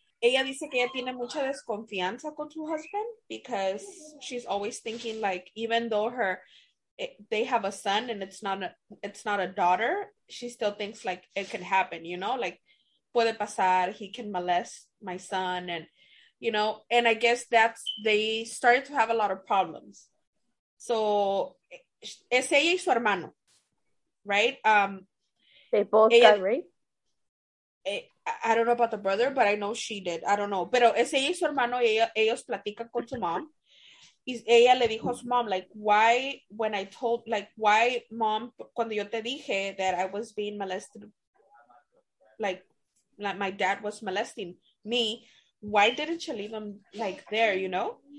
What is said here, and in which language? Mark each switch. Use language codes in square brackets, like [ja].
[es] Ella dice que ella tiene mucha desconfianza con su [en] husband because she's always thinking, like, even though they have a son and it's not a daughter, she still thinks like it can happen, you know, like [es] puede pasar, [en] he can molest my son, and you know, and I guess that's, they started to have a lot of problems. So [es] es ella y su hermano, [en] right? They both got raped. I don't know about the brother, but I know she did. I don't know. [es] Pero es ella y su hermano, ellos platican con su mom. Y ella le dijo a su [en] mom, like, why, mom, [es] cuando yo te dije [en] that I was being molested, like my dad was molesting me, why didn't you leave him, like, there, you know?